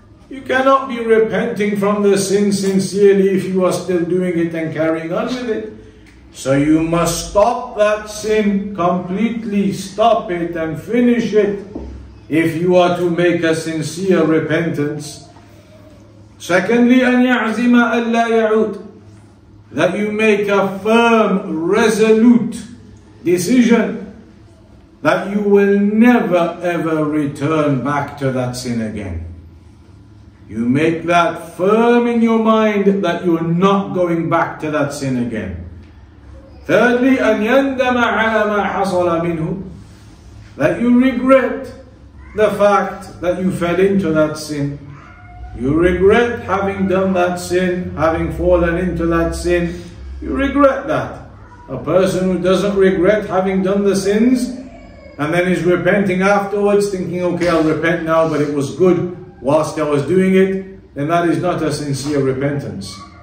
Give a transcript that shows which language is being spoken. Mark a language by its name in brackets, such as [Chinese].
[English] You cannot be repenting from the sin sincerely if you are still doing it and carrying on with it. So you must stop that sin completely, stop it and finish it if you are to make a sincere repentance. Secondly, [Arabic] أن يعزم أن لا يعود. [English] That you make a firm, resolute decision that you will never ever return back to that sin again. You make that firm in your mind that you're not going back to that sin again. Thirdly, [Arabic] أن يندم على ما حصل منه. [English] That you regret the fact that you fell into that sin. You regret having done that sin, having fallen into that sin. You regret that. A person who doesn't regret having done the sins and then is repenting afterwards, thinking, okay, I'll repent now, but it was good whilst I was doing it, then that is not a sincere repentance.